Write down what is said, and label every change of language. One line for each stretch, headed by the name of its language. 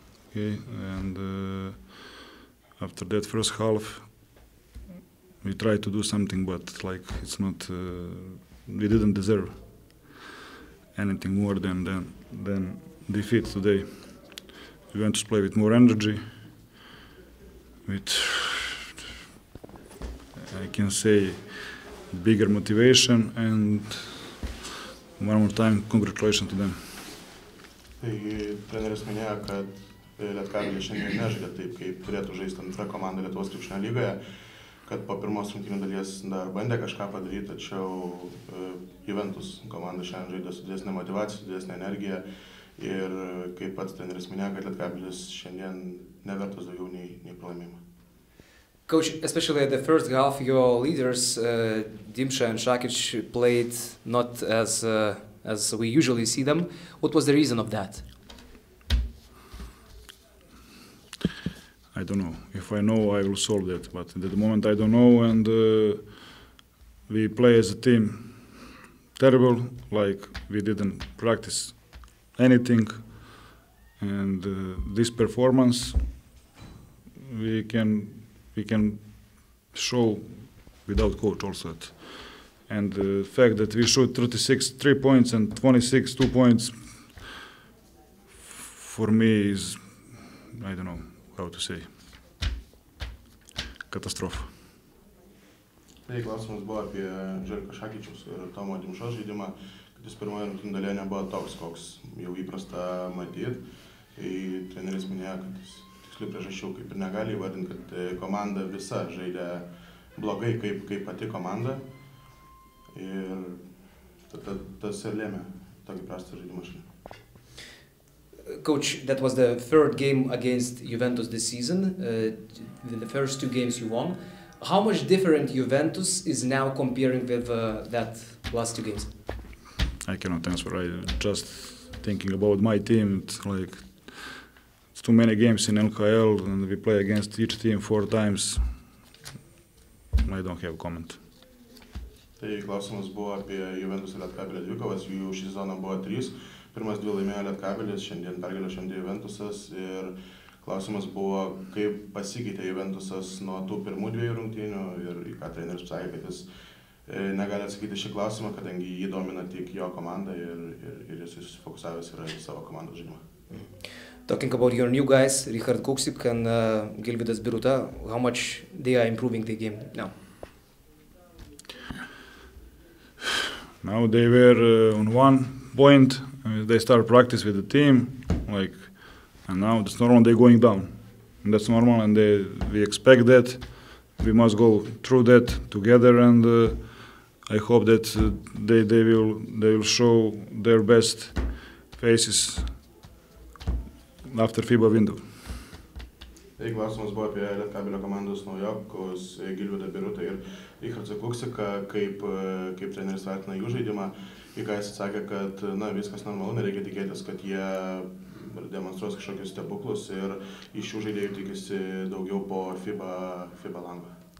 English: Okay, and after that first half, we tried to do something, but like it's not, we didn't deserve anything more than defeat today. We went to play with more energy, with, I can say, bigger motivation, and one more time, congratulations to them.
Lithuanian: Taigi, treneris minėjo, kad Lietkabelis šiandien nežaidė taip, kaip turėtų žaisti antra komanda Lietuvos krepšinio lygoje, kad po pirmos rungtynių dalies dar bandė kažką padaryti, tačiau Juventus komanda šiandien žaidė su didesnė motivacija, su didesnė energija. Ir kaip pats treneris minėjo, kad Lietkabelis šiandien nevertas daugiau nei pralaimėjimą.
English: Coach, especially the first half, your leaders, Dimša and Šakić, played not as we usually see them. What was the reason of that? I don't know. If I know, I will solve that. But at the moment, I don't know. And we play as a team terrible, like we didn't practice anything. And this performance, we can show without coach also. And the fact that we shoot 36 three points and 26 two points, for me is, I don't know how to say, katastrofa.
Lithuanian: Tai klausimas buvo apie Džerko Šakičiaus ir Tomo Dimšos žaidimą, kad jis pirmoje rungtynių dalyje nebuvo toks, koks jau įprasta matyt. Tai treneris minėjo, kad jis tiksliai priežasčiau kaip ir negali įvardinti, kad komanda visa žaidė blogai kaip pati komanda. Ir tas ir lėmė tokį prastą žaidimą šiandien.
English: Coach, that was the third game against Juventus this season. The first two games you won. How much different Juventus is now comparing with that last two games? I cannot answer. I just thinking about my team. It's like it's too many games in LKL, and we play against each team four times. I don't have a comment.
Lithuanian: Tai klausimas buvo apie Juventus ir Lietkabelio dvikovas. Jų šį sezoną buvo trys. Pirmas dvi laimėjo Lietkabelis, šiandien pergalė šiandien Juventusas. Ir klausimas buvo, kaip pasikeitė Juventusas nuo tų pirmų dviejų rungtynių ir į ką treneris sakė, kad jis negali atsakyti šį klausimą, kadangi jį domina tik jo komanda ir jis susifokusavęs yra į savo komandos žaidimą.
English: Talking about your new guys, Richard Kuksik and Gilvydas Biruta, how much they are improving the game now? Now they were on one point, they start practice with the team, like, and now it's normal they're going down. And that's normal, and we expect that. We must go through that together, and I hope that they will show their best faces after FIBA window.
Lithuanian: Taigi klausimas buvo apie Lietkabelio komandos naujokus Gilvydą Birutą ir Richardą Kuksiką, kaip treneris vertina jų žaidimą. Į ką jis atsakė, kad na, viskas normalu, nereikia tikėtis, kad jie demonstruos kažkokius stebuklus ir iš jų žaidėjų tikisi daugiau po FIBA langą.